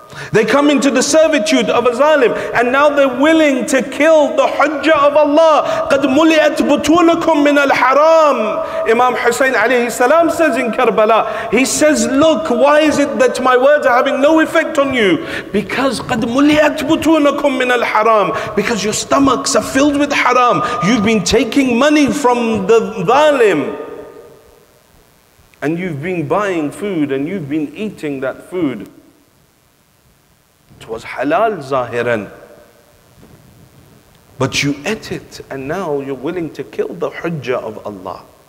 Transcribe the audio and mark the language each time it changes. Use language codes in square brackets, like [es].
[en] They come into the servitude of a zalim. And now they're willing to kill the hujjah of Allah. [ar] قَدْ مُلِئَتْ بُطُونَكُمْ مِنَ الْحَرَامِ. [en] Imam Hussein alayhi salam says in Karbala, he says, look, why is it that my words are having no effect on you? Because [ar] قَدْ مُلِئَتْ بُطُونَكُمْ مِنَ الْحَرَامِ. [en] Because your stomachs are filled with haram. You've been taking money from the zalim. And you've been buying food and you've been eating that food. Was halal zahiran, but you ate it and now you're willing to kill the hujjah of Allah.